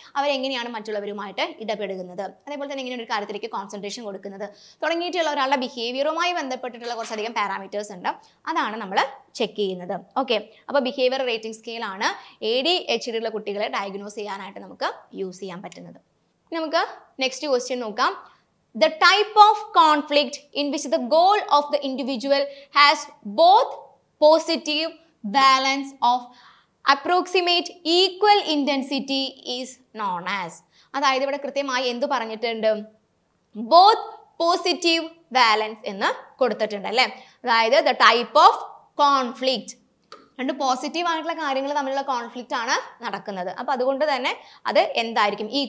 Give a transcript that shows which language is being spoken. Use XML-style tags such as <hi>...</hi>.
<ml>അവരെങ്ങനെയാണ് മറ്റുള്ളവരുമായിട്ട് ഇടപെടുന്നത്, അതേപോലെ തന്നെ ഇങ്ങനെ ഒരു കാര്യത്തിലേക്ക് കോൺസെൻട്രേഷൻ കൊടുക്കുന്നത് തുടങ്ങിയിട്ടുള്ള ഒരാളുടെ ബിഹേവിയറുമായി ബന്ധപ്പെട്ടിട്ടുള്ള കുറച്ചധികം പാരാമീറ്റേഴ്സ് ഉണ്ട്, അതാണ് നമ്മൾ ചെക്ക് ചെയ്യുന്നത്. ഓക്കെ, അപ്പോൾ ബിഹേവിയർ റേറ്റിംഗ് സ്കെയിലാണ് ADHD ഉള്ള കുട്ടികളെ ഡയഗ്നോസ് ചെയ്യാനായിട്ട് നമുക്ക് യൂസ് ചെയ്യാൻ പറ്റുന്നത്. നമുക്ക് നെക്സ്റ്റ് ക്വസ്റ്റ്യൻ നോക്കാം.</ml> <en>The type of conflict in which the goal of the individual has both positive balance of approximate equal intensity is known as.</en> <ml>അതായത് ഇവിടെ കൃത്യമായി എന്ത് പറഞ്ഞിട്ടുണ്ട്?</ml> <en>Both positive balance</en> <ml>എന്ന് കൊടുത്തിട്ടുണ്ട് അല്ലേ. അതായത്</ml> <en>the type of conflict,</en> <ml>രണ്ട് പോസിറ്റീവ് ആയിട്ടുള്ള കാര്യങ്ങൾ തമ്മിലുള്ള കോൺഫ്ലിക്റ്റ് ആണ് നടക്കുന്നത്. അപ്പോൾ അതുകൊണ്ട് തന്നെ അത് എന്തായിരിക്കും?</ml>